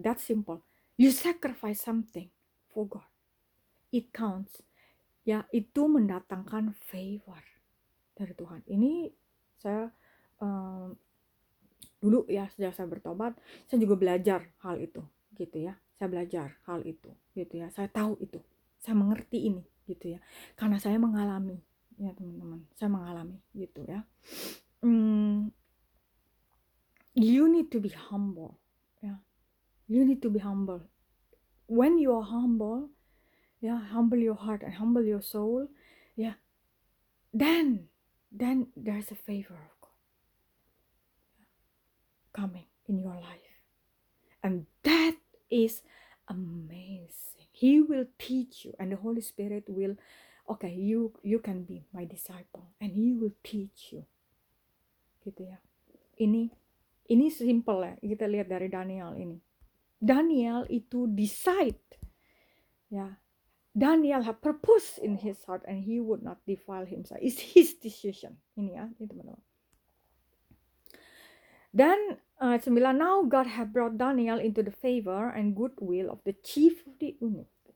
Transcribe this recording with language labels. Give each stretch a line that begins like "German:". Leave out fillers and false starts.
English: That simple, you sacrifice something for God, it counts.
Indonesian: Ya, itu mendatangkan favor dari Tuhan. Ini saya dulu ya, sejak saya bertobat, saya juga belajar hal itu, gitu ya. Saya belajar hal itu, gitu ya. Saya tahu itu. Saya mengerti ini, gitu ya. Karena saya mengalami, ya teman-teman. Saya mengalami, gitu ya.
English: You need to be humble, ya. You need to be humble. When you are humble, ya, humble your heart and humble your soul, ya, then then there's a favor of God coming in your life. And that is amazing. He will teach you, and the Holy Spirit will, okay, you can be my disciple, and He will teach you.
Indonesian: Gitu ya. Ini simple ya, kita lihat dari Daniel ini. Daniel itu decide, ya.
English: Daniel had purpose in his heart, and he would not defile himself. It's his decision.
Indonesian: Ini ya, ini teman-teman.
English: Then, 9, now God had brought Daniel into the favor and goodwill of the chief of the eunuch.